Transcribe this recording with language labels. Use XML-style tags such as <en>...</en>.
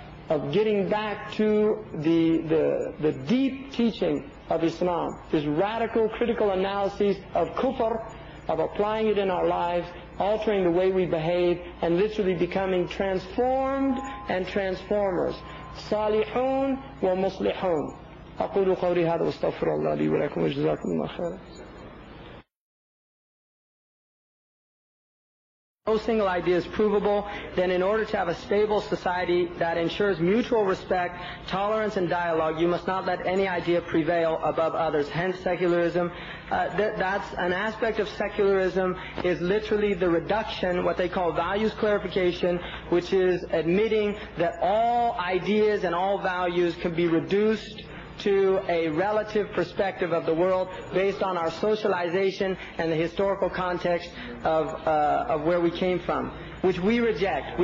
<en>of getting back to the deep teaching of Islam, this radical critical analysis of kufr, of applying it in our lives, altering the way we behave, and literally becoming transformed and transformers.</en> <ar>Salihun wa muslihun. أقول قولي هذا واستغفر الله لي ولكم وجزاكم الله خيرا.</ar> <en>No single idea is provable, then in order to have a stable society that ensures mutual respect, tolerance and dialogue, you must not let any idea prevail above others. Hence secularism. That's an aspect of secularism, is literally the reduction, what they call values clarification, which is admitting that all ideas and all values can be reduced to a relative perspective of the world based on our socialization and the historical context of where we came from, which we reject.</en>